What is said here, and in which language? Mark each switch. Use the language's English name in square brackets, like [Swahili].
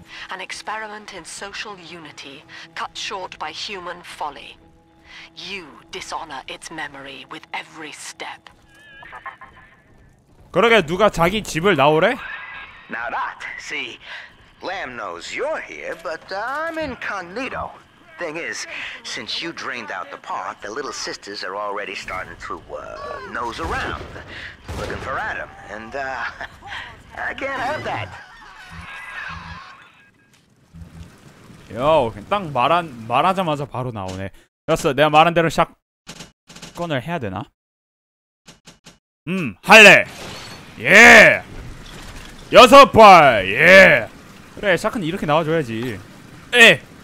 [English] An experiment in social unity cut short by human folly. You dishonor its memory with every step. [Korean] 그러게 누가 자기 집을 나오래? [English] Now that, see, Lamb knows you're here, but I'm incognito. Thing is, since you drained out the park, the little sisters are already starting to nose around, looking for Adam, and I can't help that. [Korean] 요, 딱 말하자마자 바로 나오네. 됐어, 내가 말한 대로 샷건을 해야 되나? 할래. 예. 여섯 발. 예. 그래, 샷건 이렇게 나와줘야지. 예.